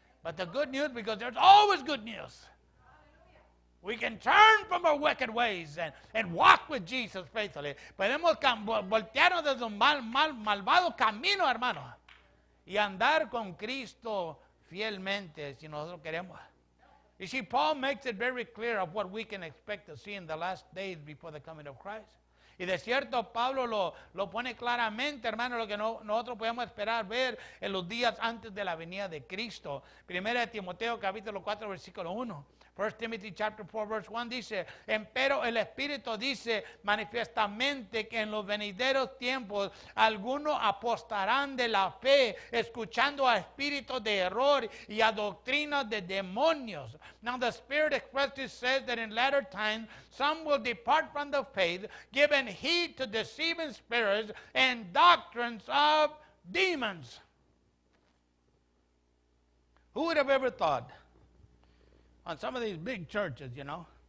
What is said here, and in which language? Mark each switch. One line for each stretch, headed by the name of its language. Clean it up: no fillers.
English: But the good news, because there's always good news. We can turn from our wicked ways and walk with Jesus faithfully.
Spanish: Podemos voltearnos desde un malvado camino, hermano, y andar con Cristo fielmente si nosotros queremos.
English: You see, Paul makes it very clear of what we can expect to see in the last days before the coming of Christ.
Spanish: Y de cierto, Pablo lo pone claramente, hermano, lo que nosotros podemos esperar ver en los días antes de la venida de Cristo. Primera de Timoteo, capítulo 4, versículo 1.
English: 1 Timothy chapter 4, verse 1
Spanish: dice, empero el Espíritu dice manifiestamente que en los venideros tiempos algunos apostarán de la fe, escuchando a espíritus de error y a doctrinas de demonios.
English: Now the Spirit expressly says that in latter times some will depart from the faith, giving heed to deceiving spirits and doctrines of demons. Who would have ever thought? On some of these big churches, you know.